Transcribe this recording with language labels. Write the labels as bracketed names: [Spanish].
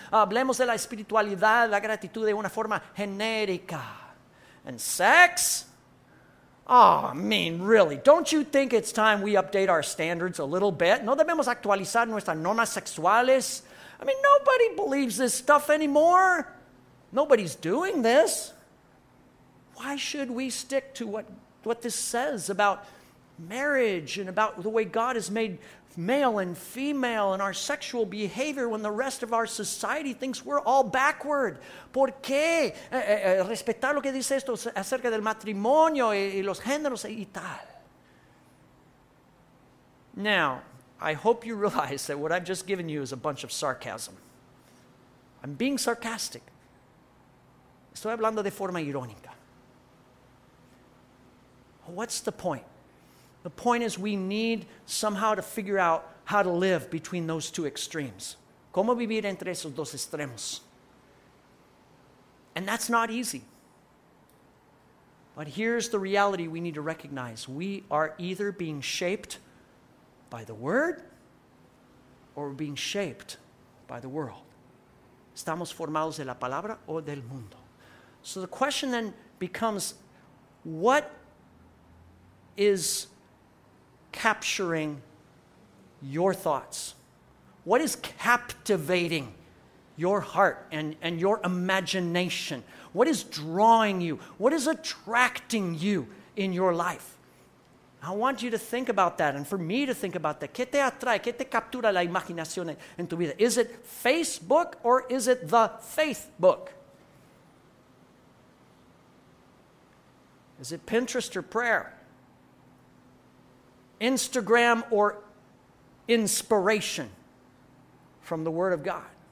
[Spanish] Hablemos de la espiritualidad, la gratitud de una forma genérica. [English] And sex? Oh, I mean, really, don't you think it's time we update our standards a little bit? ¿No debemos actualizar nuestras normas sexuales? I mean, nobody believes this stuff anymore. Nobody's doing this. Why should we stick to what this says about marriage and about the way God has made male and female and our sexual behavior when the rest of our society thinks we're all backward? [Spanish] ¿Por qué respetar lo que dice esto acerca del matrimonio y los géneros y tal? [English] Now, I hope you realize that what I've just given you is a bunch of sarcasm. I'm being sarcastic. [Spanish] Estoy hablando de forma irónica. [English] What's the point? The point is we need somehow to figure out how to live between those two extremes. [Spanish] ¿Cómo vivir entre esos dos extremos? [English] And that's not easy. But here's the reality we need to recognize. We are either being shaped by the Word or being shaped by the world. [Spanish] Estamos formados de la palabra o del mundo. [English] So the question then becomes, what is capturing your thoughts? What is captivating your heart and your imagination? What is drawing you? What is attracting you in your life? I want you to think about that, and for me to think about that. [Spanish] ¿Qué te atrae? ¿Qué te captura la imaginación en tu vida? [English] Is it Facebook or is it the faith book? Is it Pinterest or prayer? Instagram or inspiration from the Word of God?